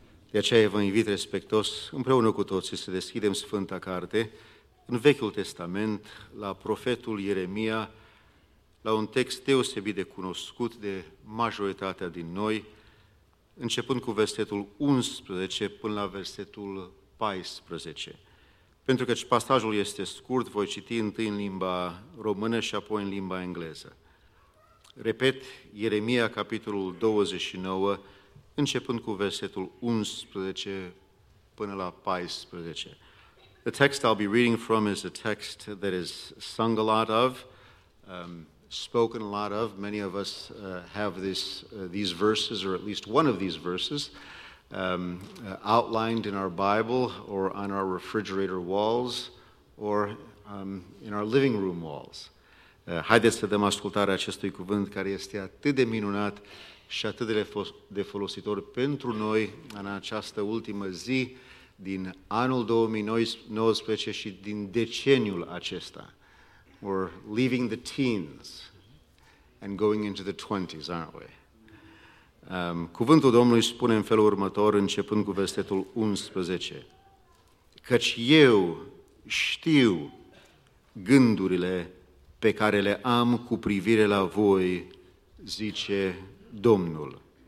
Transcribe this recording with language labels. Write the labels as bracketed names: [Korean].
[Romanian] De aceea vă invit respectos, împreună cu toții, să deschidem Sfânta Carte, în Vechiul Testament, la profetul Ieremia, la un text deosebit de cunoscut de majoritatea din noi, începând cu versetul 11 până la versetul 14. Pentru că pasajul este scurt, voi citi întâi în limba română și apoi în limba engleză. Repet, Ieremia, capitolul 29, începând cu versetul 11 până la 14. [English] The text I'll be reading from is a text that is sung a lot of, spoken a lot of. Many of us have these verses, or at least one of these verses, outlined in our Bible or on our refrigerator walls or in our living room walls. [Romanian] Haideți să dăm ascultare acestui cuvânt care este atât de minunat și atât de folositor pentru noi în această ultimă zi din anul 2019 și din deceniul acesta. [English] We're leaving the teens and going into the 20s, aren't we? [Romanian] Cuvântul Domnului spune în felul următor, începând cu versetul 11. Căci eu știu gândurile pe care le am cu privire la voi, zice Domnul.